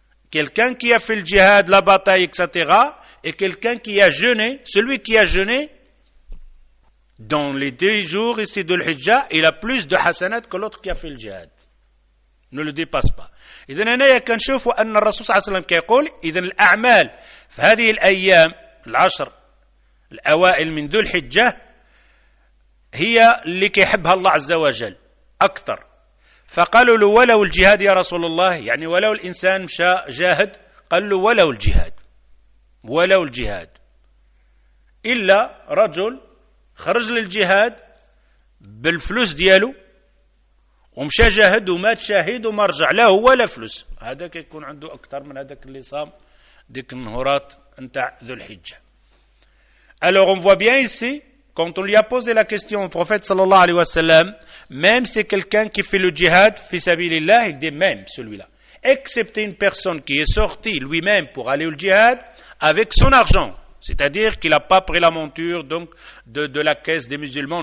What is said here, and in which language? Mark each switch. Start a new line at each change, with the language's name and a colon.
French: Quelqu'un qui a fait le djihad, la bataille, etc., et quelqu'un qui a jeûné, celui qui a jeûné, dans les 10 jours ici de l'Hijjah, il a plus de hasanat que l'autre qui a fait le djihad. Ne le dépasse pas. Et donc, il y a qu'un chef où le Rasul sallallahu alayhi wa sallam qui dit, l'a'mal,
Arabic: فهذه الأيام العشر الأوائل من ذو الحجة هي اللي كيحبها الله عز وجل أكثر. فقالوا له: ولو الجهاد يا رسول الله، يعني ولو الإنسان مشى جاهد. قال له: ولو الجهاد، ولو الجهاد، إلا رجل خرج للجهاد بالفلوس دياله ومشى جاهد ومات شاهد وما رجع له ولا فلوس، هذا كيكون عنده أكثر من هذاك اللي صام ديك النهورات نتاع ذو الحجة.
French: Alors on voit bien ici, quand on lui a posé la question au prophète sallallahu alayhi wa sallam, même c'est quelqu'un qui fait le djihad fi sabilillah, il dit même celui-là. Excepté une personne qui est sortie lui-même pour aller au djihad avec son argent. C'est-à-dire qu'il n'a pas pris la monture donc de la caisse des musulmans.